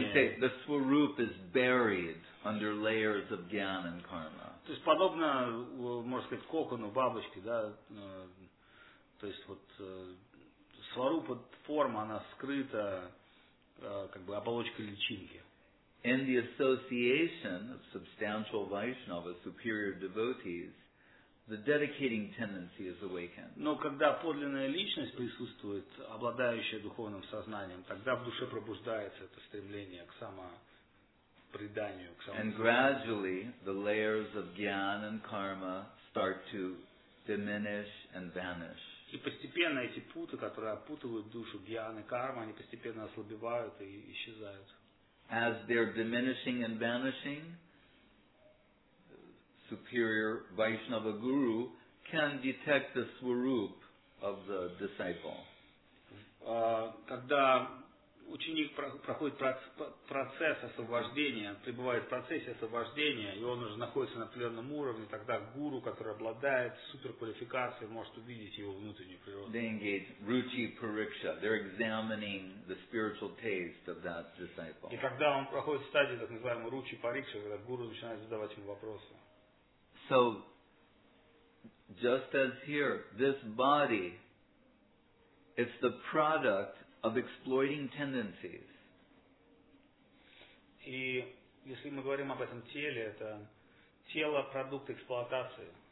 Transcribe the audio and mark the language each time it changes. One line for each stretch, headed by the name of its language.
English: We can say the swarup is buried under layers of jnana and karma.
Russian: То есть подобно, можно сказать, кокону, бабочке, да, то есть вот сварупа, форма, она скрыта как бы оболочкой личинки.
English: In the association of substantial Vaishnava, superior devotees, the dedicating tendency is awakened.
Russian: Но когда подлинная личность присутствует, обладающая духовным сознанием, тогда в душе пробуждается это стремление к самопреданию, к самопреданию.
English: And gradually the layers of jnana and karma start to diminish and vanish.
Russian: И постепенно эти путы, которые опутывают душу, jnana и карма, они постепенно ослабевают и исчезают.
English: As they're diminishing and vanishing, superior Vaishnava guru can detect the swarup of the disciple.
Russian: Когда ученик проходит процесс освобождения, пребывает в процессе освобождения, и он уже находится на определенном уровне, тогда гуру, который обладает суперквалификацией, может увидеть его внутреннюю природу.
English: They engage ruchi pariksha. They're examining the spiritual taste of that disciple.
Russian: И когда он проходит стадию так называемой ruchi pariksha, когда гуру начинает задавать ему вопросы.
English: So, just as here, this body, it's the product of exploiting tendencies.
Russian: И если мы говорим об этом теле, это тело продукт эксплуатации.